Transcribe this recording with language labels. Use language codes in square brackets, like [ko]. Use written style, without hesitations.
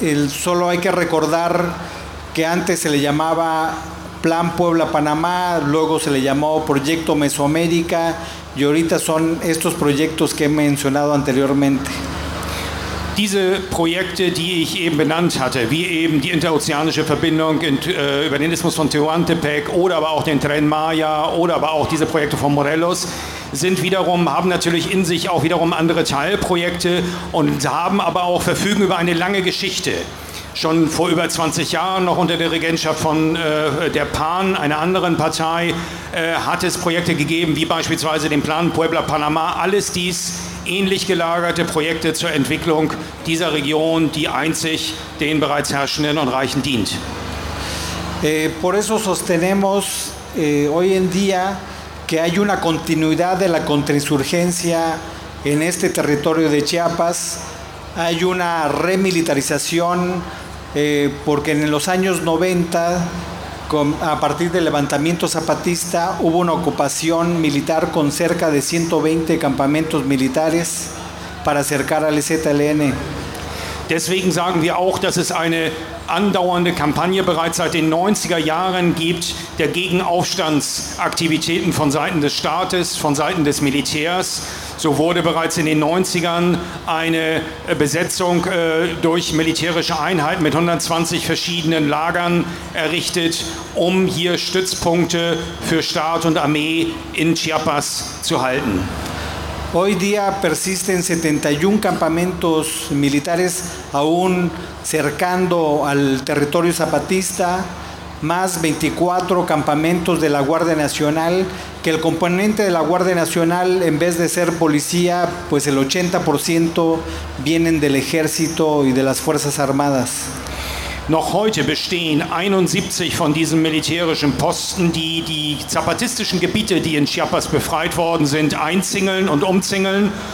[es] Solo hay que recordar que antes se le llamaba Plan Puebla-Panamá, luego se le llamó Proyecto Mesoamérica y ahorita son estos proyectos que he mencionado anteriormente. [de] Diese Projekte, die ich eben benannt hatte, wie eben die interozeanische Verbindung über den Istmus von Tehuantepec oder aber auch den Tren Maya oder aber auch diese Projekte von Morelos, sind wiederum, haben natürlich in sich auch wiederum andere Teilprojekte und haben aber auch, verfügen über eine lange Geschichte. Schon vor über 20 Jahren, noch unter der Regentschaft von der PAN, einer anderen Partei, hat es Projekte gegeben, wie beispielsweise den Plan Puebla-Panamá, alles dies ähnlich gelagerte Projekte zur Entwicklung dieser Region, die einzig den bereits Herrschenden und Reichen dient. [es] Por eso sostenemos hoy en día que hay una continuidad de la contrainsurgencia en este territorio de Chiapas. Hay una remilitarización porque en los años 90, a partir del levantamiento zapatista, hubo una ocupación militar con cerca de 120 campamentos militares para acercar al EZLN. [de] Deswegen sagen wir auch, dass es eine andauernde Kampagne bereits seit den 90er Jahren gibt, der Gegenaufstandsaktivitäten von Seiten des Staates, von Seiten des Militärs. So wurde bereits in den 90ern eine Besetzung durch militärische Einheiten mit 120 verschiedenen Lagern errichtet, um hier Stützpunkte für Staat und Armee in Chiapas zu halten. [es] Hoy día persisten 71 campamentos militares aún cercando al territorio zapatista más 24 campamentos de la Guardia Nacional, que el componente de la Guardia Nacional, en vez de ser policía, pues el 80% vienen del Ejército y de las Fuerzas Armadas. [de] Noch heute bestehen 71 von diesen militärischen Posten, die die zapatistischen Gebiete, die in Chiapas befreit worden sind, einzingeln und umzingeln.